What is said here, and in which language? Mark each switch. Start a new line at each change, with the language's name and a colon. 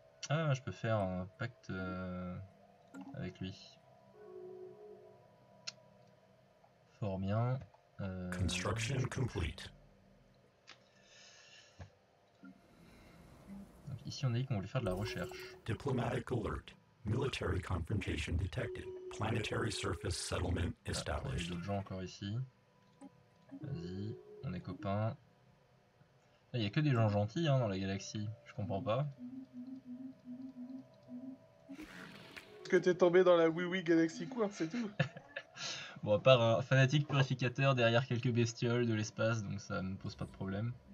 French: Ah, je peux faire un pacte avec lui. Bien.
English: Construction complete.
French: Donc ici on a dit qu'on voulait faire de la recherche.
English: Diplomatic alert. Military confrontation detected. Planetary surface settlement established.
French: Ah, il y a d'autres gens encore ici. Vas-y, on est copains. Là, il y a que des gens gentils hein, dans la galaxie. Je comprends pas. Est-ce que t'es tombé dans la oui Galaxy Court, c'est tout. Bon, à part un fanatique purificateur derrière quelques bestioles de l'espace, donc ça ne pose pas de problème.